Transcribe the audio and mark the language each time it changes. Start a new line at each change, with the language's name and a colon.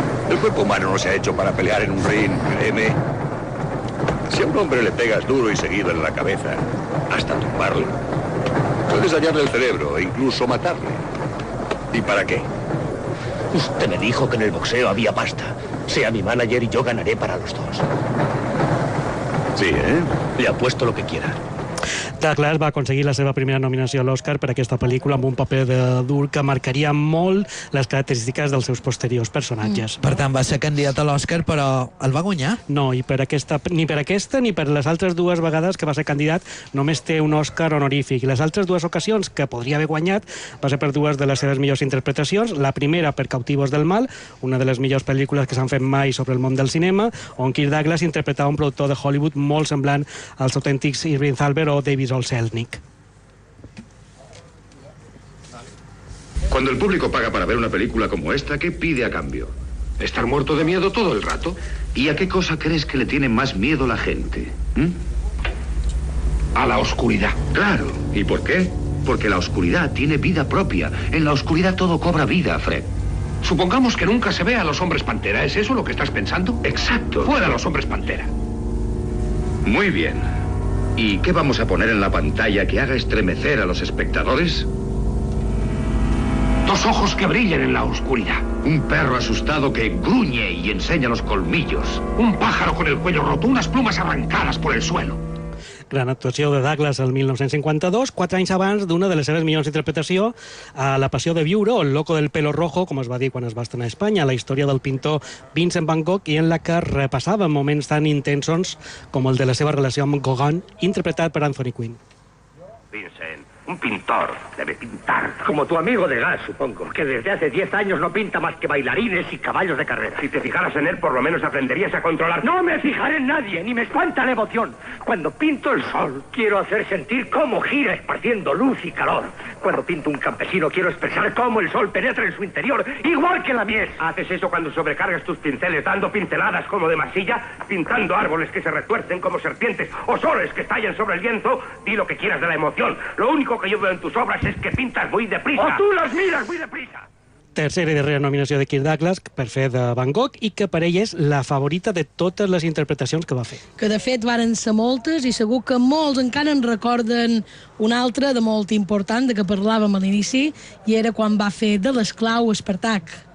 Spanish: El cuerpo humano no se ha hecho para pelear en un ring, créeme. Si a un hombre le pegas duro y seguido en la cabeza, hasta tumbarlo, puedes dañarle el cerebro e incluso matarle. ¿Y para qué? Usted me dijo que en el boxeo había pasta. Sea mi manager y yo ganaré para los dos. Sí, ¿eh? Le apuesto lo que quiera.
Catalan: Douglas va aconseguir la seva primera nominació a l'Oscar per aquesta pel·lícula amb un paper d'adult que marcaria molt les característiques dels seus posteriors personatges. Per tant, va ser candidat a l'Oscar, però el va guanyar? No, i per aquesta, ni per aquesta ni per les altres dues vegades que va ser candidat només té un Oscar honorífic. Les altres dues ocasions que podria haver guanyat va ser per dues de les seves millors interpretacions. La primera, per Cautivos del Mal, una de les millors pel·lícules que s'han fet mai sobre el món del cinema, on Kirk Douglas interpretava un productor de Hollywood molt semblant als autèntics Irving Thalberg o David Visual Selznick.
Spanish: Cuando el público paga para ver una película como esta, ¿qué pide a cambio? ¿Estar muerto de miedo todo el rato? ¿Y a qué cosa crees que le tiene más miedo la gente? A la oscuridad. Claro. ¿Y por qué? Porque la oscuridad tiene vida propia. En la oscuridad todo cobra vida, Fred. Supongamos que nunca se ve a los hombres pantera. ¿Es eso lo que estás pensando? Exacto. Fuera los hombres pantera. Muy bien. ¿Y qué vamos a poner en la pantalla que haga estremecer a los espectadores? Dos ojos que brillen en la oscuridad. Un perro asustado que gruñe y enseña los colmillos. Un pájaro con el cuello roto, unas plumas arrancadas por el suelo.
Catalan: Gran actuació de Douglas el 1952, quatre anys abans d'una de les seves millors interpretació a La passió de viure, o El loco del pelo rojo, com es va dir quan es va estrenar a Espanya, la història del pintor Vincent van Gogh i en la que repassava moments tan intensos com el de la seva relació amb Gauguin, interpretat per Anthony Quinn.
Spanish: Vincent, un pintor debe pintar. Como tu amigo de gas, supongo, que desde hace 10 años no pinta más que bailarines y caballos de carrera. Si te fijaras en él, por lo menos aprenderías a controlar. No me fijaré en nadie, ni me espanta la emoción. Cuando pinto el sol, quiero hacer sentir cómo gira esparciendo luz y calor. Cuando pinto un campesino, quiero expresar cómo el sol penetra en su interior, igual que la mies. ¿Haces eso cuando sobrecargas tus pinceles, dando pinceladas como de masilla, pintando árboles que se retuercen como serpientes, o soles que estallan sobre el lienzo? Di lo que quieras de la emoción. Lo único que yo veo en tus obras es que pintas muy deprisa. ¡O tú las miras muy deprisa!
Catalan: Tercera i darrera nominació de Kirk Douglas per fer de Van Gogh i que per ell és la favorita de totes les interpretacions que va fer. Que de fet varen ser moltes i segur que molts encara en recorden una altra de molt important de que parlàvem a l'inici i era quan va fer de l'esclau Espartac.